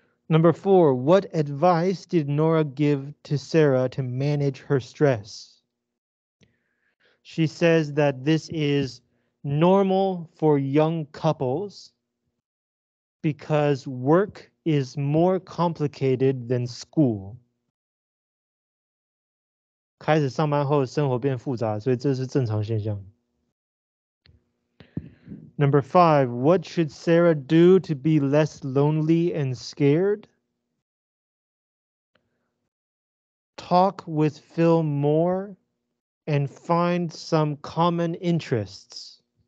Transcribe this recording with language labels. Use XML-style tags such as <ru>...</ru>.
<en>Number four, what advice did Nora give to Sarah to manage her stress? She says that this is normal for young couples because work is more complicated than school.</en> <zh>开始上班后生活变复杂，所以这是正常现象。</zh> <en>Number five, what should Sarah do to be less lonely and scared? Talk with Phil more and find some common interests.</en>